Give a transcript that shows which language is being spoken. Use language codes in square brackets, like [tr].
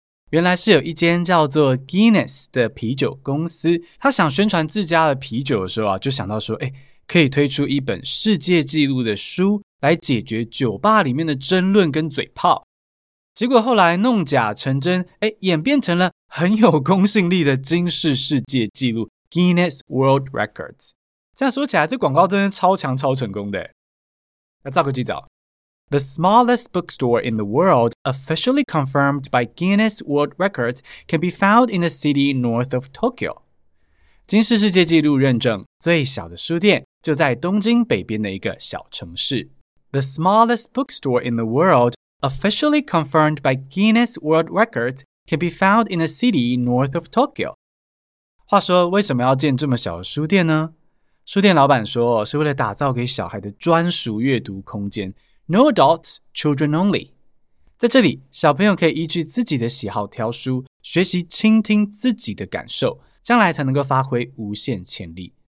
[zh] 原来是有一间叫做 Guinness 的啤酒公司，他想宣传自家的啤酒的时候啊，就想到说，诶，可以推出一本世界纪录的书，来解决酒吧里面的争论跟嘴炮。结果后来弄假成真，诶，演变成了很有公信力的金氏世界纪录 Guinness World Records。这样说起来，这广告真的超强超成功的。那照个记者， [en] The smallest bookstore in the world officially confirmed by Guinness World Records can be found in the city north of Tokyo。 [zh] 金氏世界纪录认证最小的书店就在东京北边的一个小城市。 [en] The smallest bookstore in the worldOfficially confirmed by Guinness World Records can be found in a city north of Tokyo. [zh] 话说为什么要建这么小的书店呢？书店老板说是为了打造给小孩的专属阅读空间， [en] No adults, children only. [zh] 在这里小朋友可以依据自己的喜好挑书，学习倾听自己的感受，将来才能够发挥无限潜力。